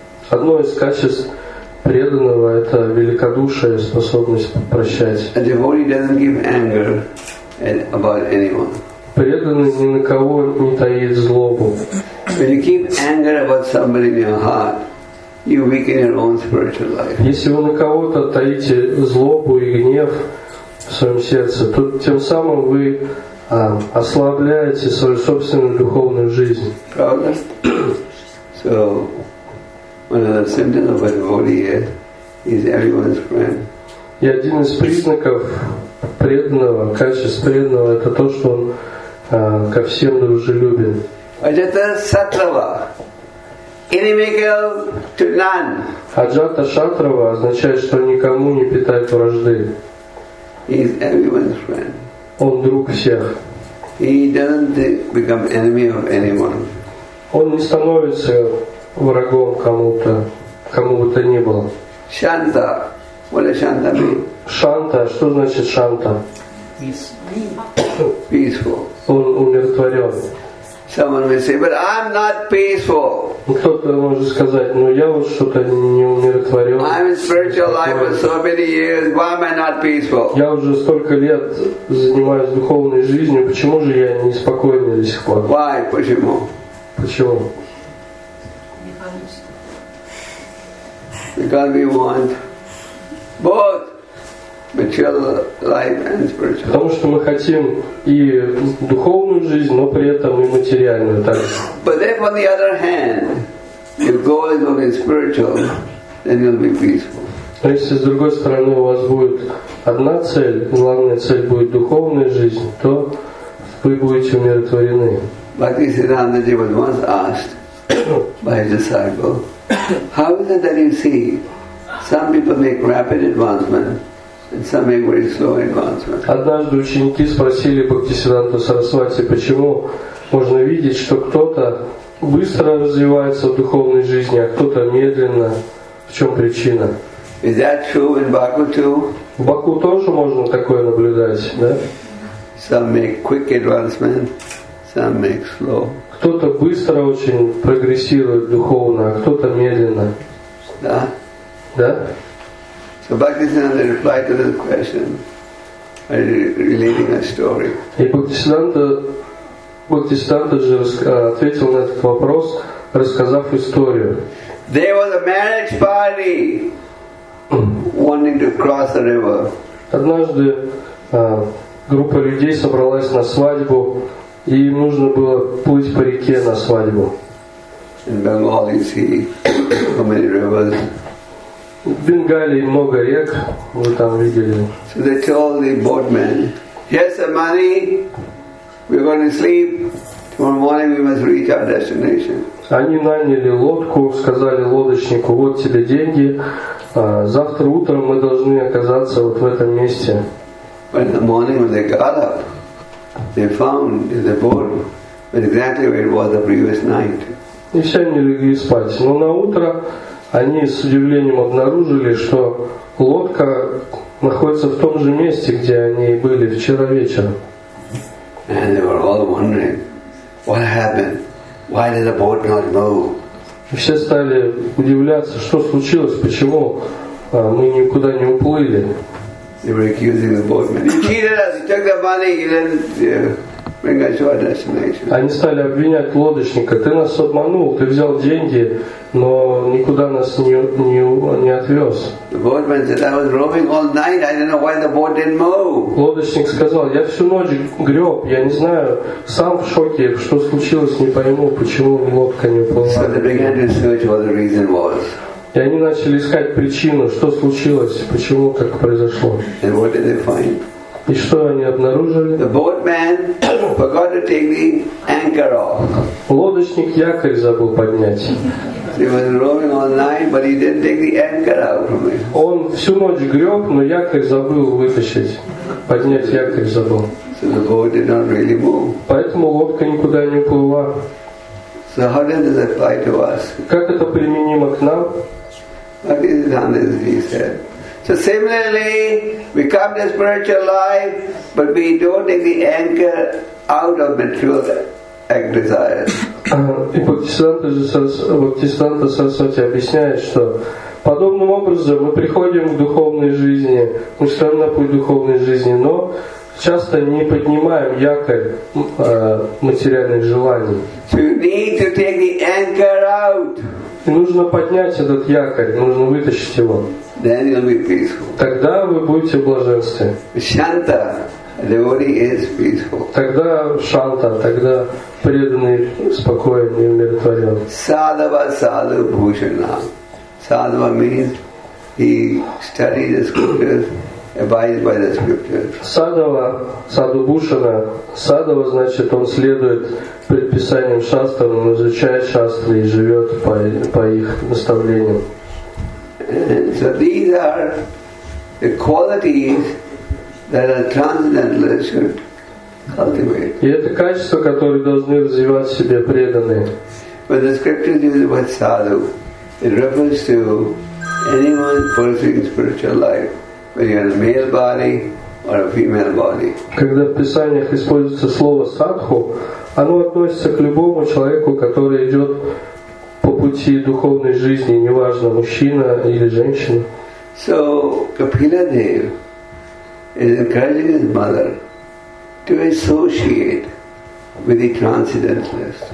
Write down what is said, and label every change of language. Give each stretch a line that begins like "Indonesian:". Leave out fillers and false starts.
Russian: Одно из качеств преданного – это великодушие, способность прощать.
English: A devotee doesn't give anger about anyone.
Russian: Преданный ни на кого не таит злобу.
English: When you keep anger about somebody in your heart, you weaken your own spiritual life.
Russian: Если вы на кого-то таите злобу и гнев, в своем сердце, то тем самым вы ослабляете свою собственную духовную жизнь. Правда?
English: So, one of the symptoms of a devotee is everyone's friend.
Russian: И один из признаков преданного, качеств преданного, это то, что он ко всем дружелюбен.
English: Аджата Сатрава. Inimical to none.
Russian: Аджата Шатрава означает, что никому не питает вражды.
English: He is everyone's friend.
Russian: Он друг всех.
English: He doesn't become enemy of anyone.
Russian: Он не становится врагом кому-то, кому бы то ни было.
English: Шанта. What does Shanta mean?
Russian: Шанта. Что значит Шанта?
English: Peaceful.
Russian: Он умиротворен.
English: Someone may say, but I'm not peaceful. Кто-то может сказать, но я вот что-то не умиротворен. I'm in spiritual life for so many years. Why am I not peaceful?
Russian: Я уже столько лет занимаюсь духовной жизнью. Почему же я не спокойный до сих пор?
English: Why?
Russian: Почему? Почему?
English: Because we want both material life and spiritual.
Russian: Потому что мы хотим и духовную жизнь, но при этом и материальную также.
English: But if on the other hand, your goal is only spiritual, then you'll be peaceful.
Russian: Но если с другой стороны у вас будет одна цель, главная цель будет духовная жизнь, то вы будете умиротворены.
English: Bhakti Siddhanta Ji was once asked by his disciple, how is it that you see some people make rapid advancement and some make very slow advancement?
Russian: Однажды ученики спросили Бхактисиддханту Сарасвати, почему можно видеть, что кто-то быстро развивается в духовной жизни, а кто-то медленно. В чем причина?
English: Is that true in Baku too?
Russian: В Баку тоже можно такое наблюдать, да?
English: Some make quick advancement. Some make slow.
Russian: Кто-то быстро очень прогрессирует духовно, а кто-то медленно. Да? Да?
English: So Bhaktisiddhanta replied to this question by relating a story.
Russian: И Бхактисиддханта же ответил на этот вопрос, рассказав историю.
English: There was a marriage party wanting to cross the river.
Russian: Однажды группа людей собралась на свадьбу. И им нужно было плыть по реке на свадьбу.
English: In Bengal, you see how many rivers.
Russian: В Бенгалии много рек, вы там видели.
English: So they told the boatman, here's the money, we're going to sleep, tomorrow morning we must reach our destination.
Russian: Они наняли лодку, сказали лодочнику, вот тебе деньги, завтра утром мы должны оказаться вот в этом месте.
English: In the morning when they got up, they found in the boat exactly where it was the previous night.
Russian: И все они легли спать. Но на утро они с удивлением обнаружили, что лодка находится в том же месте, где они были вчера вечером.
English: And they were all wondering, what happened? Why did the boat not move?
Russian: И все стали удивляться, что случилось, почему мы никуда не уплыли.
English: They were accusing the boatman. He cheated us. He took the money. He didn't bring us to our destination.
Russian: Они стали обвинять лодочника. Ты нас обманул. Ты взял деньги, но никуда нас не отвез.
English: The boatman said, "I was rowing all night. I don't know why the boat didn't move."
Russian: Лодочник сказал, я всю ночь греб. Я не знаю. Сам в шоке, что случилось, не пойму, почему лодка не уплыла.
English: So they began to search what the reason was.
Russian: И они начали искать причину, что случилось, почему так произошло.
English: And what did they find?
Russian: И что они обнаружили?
English: The boatman forgot to take the anchor off.
Russian: Лодочник якорь забыл поднять.
English: He was rowing all night, but he didn't take the anchor out from it.
Russian: Он всю ночь греб, но якорь забыл вытащить. Поднять якорь забыл.
English: So the boat did not really move.
Russian: Поэтому лодка никуда не плыла.
English: So how does this apply to us?
Russian: Как это применимо к нам?
English: Bhaktisiddhanta Ji said. So similarly, we come to spiritual life, but we don't take the anchor out of material act desires.
Russian: И Бхактисиддханта Сарасвати объясняет, что подобным образом мы приходим к духовной жизни, мы все равно путь духовной жизни, но часто не поднимаем якорь материальных желаний.
English: You need to take the anchor out.
Russian: И нужно поднять этот якорь, нужно вытащить его.
English: Then you'll be peaceful.
Russian: Тогда вы будете в блаженстве.
English: Shanta, devotee is peaceful.
Russian: Тогда Шанта, тогда преданный, спокойный, умиротворен.
English: Sadhava, sadhu, bhushana. Sadhava means he studies the scriptures, abides by the scriptures. Sadhava, sadhu bhushana.
Russian: Sadhava значит он следует предписанием шастр, он изучает шастры и живет по их наставлениям.
English: So these are the qualities that a transcendental should cultivate.
Russian: И это качества, которые должны развивать в себе преданные.
English: When the scriptures use the word sadhu, it refers to anyone pursuing spiritual life, whether you're in a male body or a female body.
Russian: Когда в писаниях используется слово садху, оно относится к любому человеку, который идет по пути духовной жизни, неважно, мужчина или женщина.
English: So Kapila Dev is encouraging his mother to associate with the transcendentalist.